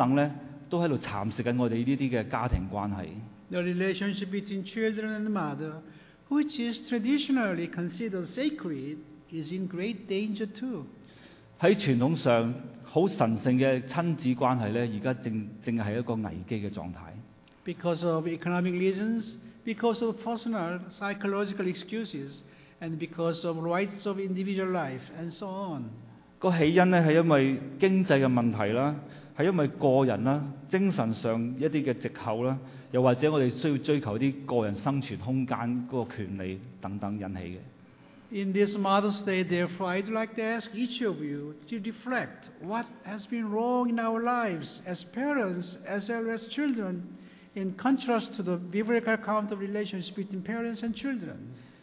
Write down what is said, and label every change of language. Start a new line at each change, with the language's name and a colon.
Chinese: 物質主義的高舉、個人主義、一些暴力的文化價值觀、很嚴重的經濟競爭等等都在蠶食我們這些家庭關係。
English: The relationship between children and mother, which is traditionally considered sacred, is in great danger too.
Chinese: 在傳統上很神聖的親子關係現在正是一個危機的狀態。
English: Because of economic reasons, because of personal psychological excuses, and because of rights of individual life, and so on.
Chinese: 起因是因為經濟的問題、個人精神上的藉口、或者我們需要追求個人生存空間的權利等等引起的。
English: In this modern state, therefore, I'd like to ask each of you to reflect what has been wrong in our lives as parents, as well as children, in contrast to the biblical account of relationship between parents and children.